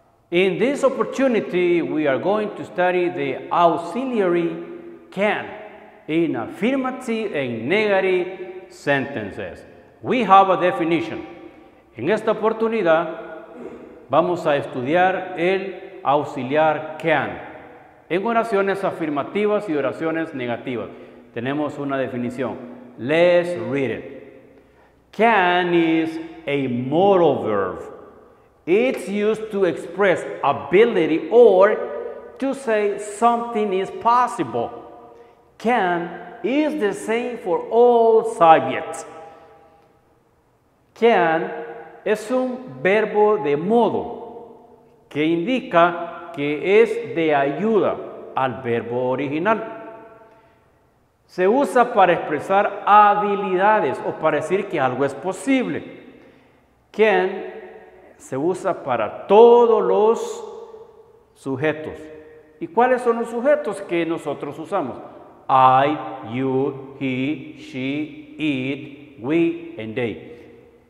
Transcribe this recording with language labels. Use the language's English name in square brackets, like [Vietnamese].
[English] In this opportunity, we are going to study the auxiliary can in affirmative and negative sentences. We have a definition. [Spanish] En esta oportunidad, vamos a estudiar el auxiliar can en oraciones afirmativas y oraciones negativas. Tenemos una definición. [English] Let's read it. Can is a modal verb. It's used to express ability or to say something is possible. Can is the same for all subjects. [Spanish] Can es un verbo de modo que indica que es de ayuda al verbo original. Se usa para expresar habilidades o para decir que algo es posible. Can se usa para todos los sujetos. ¿Y cuáles son los sujetos que nosotros usamos? [English] I, you, he, she, it, we, and they.